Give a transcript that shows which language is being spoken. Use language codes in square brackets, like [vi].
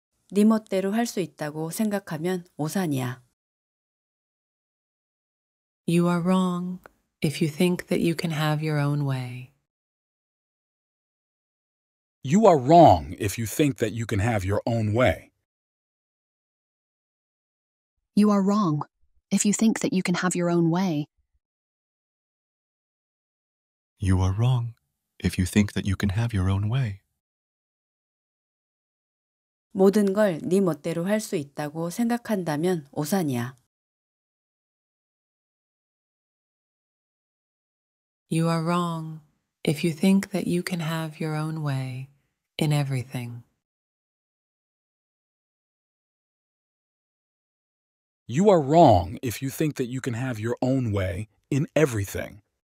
[ko] 네 멋대로 할 수 있다고 생각하면 오산이야. [en] You are wrong if you think that you can have your own way. You are wrong if you think that you can have your own way. You are wrong if you think that you can have your own way. You are wrong if you think that you can have your own way. [ko] 모든 걸 네 멋대로 할 수 있다고 생각한다면 오산이야. [en] You are wrong if you think that you can have your own way in everything. You are wrong if you think that you can have your own way in everything.